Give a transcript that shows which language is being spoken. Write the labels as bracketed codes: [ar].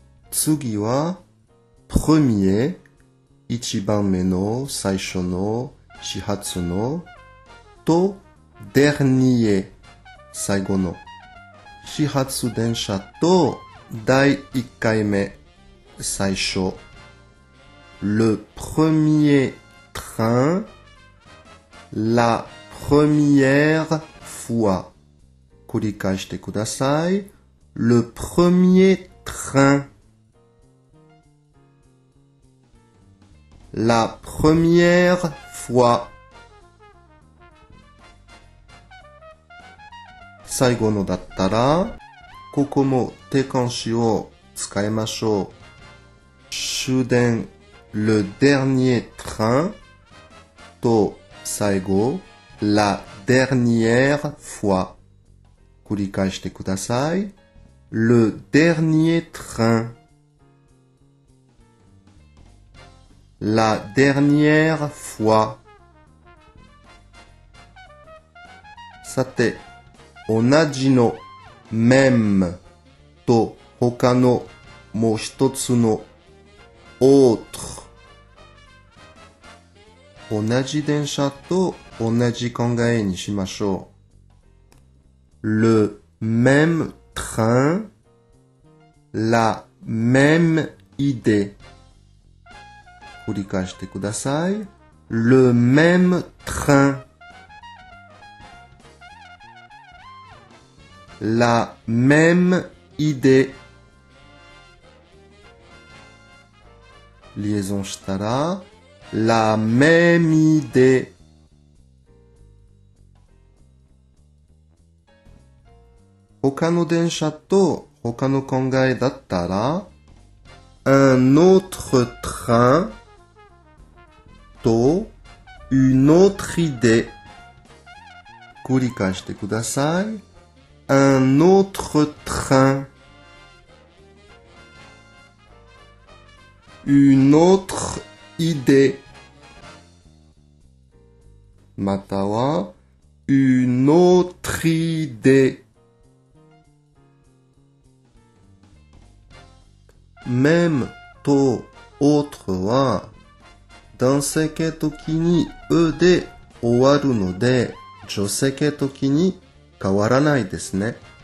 [ja] 次は premier 一番目の最初の始発のと dernier 最後の始発電車と第一回目最初。 [fr] Le premier train, la première fois. [ja] 繰り返してください。 [fr] Le premier train, la première fois. [ja] 最後のだったら、ここも定冠詞を使いましょう。 [fr] Soudain, le dernier train, [ja] と最後 [fr] la dernière fois. [ja] 繰り返してください。 [fr] Le dernier train, la dernière fois. [ja] さて、同じの même と他のもう一つのAutre. 同じ電車と同じ考えにしましょう。 [fr] Le même train, la même idée. [ja] 繰り返してください。 [fr] Le même train, la même idée. Liaison [ja] したら [fr] la même idée. [ja] 他の電車と他の考えだったら [fr] un autre train [ja] と [fr] une autre idée. [ja] 繰り返してください。 [fr] un autre trainUne autre idée. [ja] または [fr] une autre idée. [ja] Même と autre は男性系時に e で終わるので女性系時に変わらないですね。